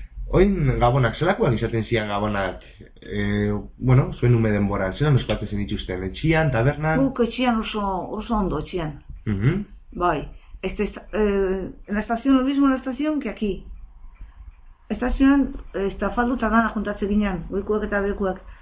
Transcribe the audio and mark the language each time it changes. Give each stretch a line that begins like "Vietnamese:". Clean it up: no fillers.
Basque: Oin gabonak, zelakoak izaten zian gabonak, bueno, zuen ume denboran, zelan ospatzen dituzten, etxian, tabernan? Buk, etxian oso ondo, etxian.
Spanish: Bai, en la estación, lo mismo en la estación que aquí.
Basque: Estazioan, estafalduta dana juntatze ginean, goikuak eta bekuak.